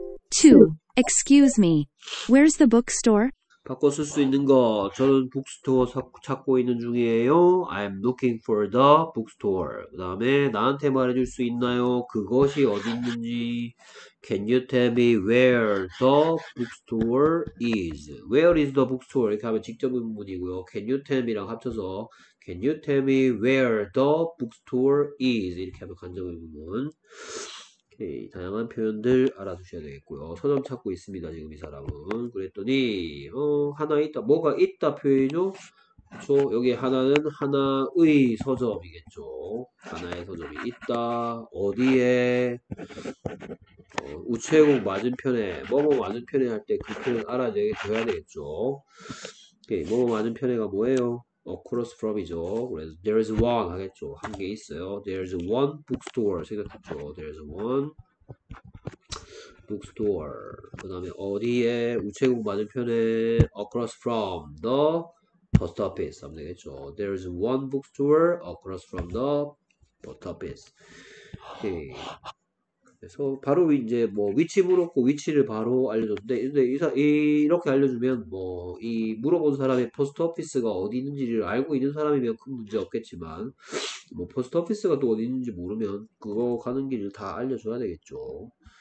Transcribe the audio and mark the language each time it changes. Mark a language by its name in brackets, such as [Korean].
[English] 2. Excuse me. Where's the bookstore? [Korean] 바꿔 쓸수 있는 거. 저는 북스토어 찾고 있는 중이에요. [English] I'm looking for the bookstore. [Korean] 그 다음에 나한테 말해줄 수 있나요? 그것이 어디 있는지. [English] Can you tell me where the bookstore is? Where is the bookstore? [Korean] 이렇게 하면 직접 문이고요. [English] Can you tell me [Korean] 랑 합쳐서 [English] Can you tell me where the bookstore is? [Korean] 이렇게 하면 간접 의문문. 오케이, 다양한 표현들 알아두셔야 되겠고요. 서점 찾고 있습니다, 지금 이 사람은. 그랬더니, 하나 있다, 뭐가 있다 표현이죠? 그렇죠? 여기 하나는 하나의 서점이겠죠. 하나의 서점이 있다, 어디에, 우체국 맞은편에, 뭐뭐 맞은편에 할때그 표현 알아줘야 되겠죠. 오케이, 뭐뭐 맞은편에가 뭐예요? [English] Across from [Korean] 이죠. 그래서 [English] there is one [Korean] 하겠죠. 한개 있어요. [English] There is one bookstore [Korean] 생각했죠. [English] There is one bookstore. [Korean] 그 다음에 어디에 우체국 맞은편에 [English] across from the post office [Korean] 하면 되겠죠. [English] There is one bookstore across from the post office. [Korean] 오케이. 그래서 바로 이제 뭐 위치 물었고 위치를 바로 알려줬는데 이렇게 알려주면 뭐이 물어본 사람의 포스트 오피스가 어디 있는지를 알고 있는 사람이면 큰 문제 없겠지만 뭐 포스트 오피스가 또 어디 있는지 모르면 그거 가는 길을 다 알려줘야 되겠죠.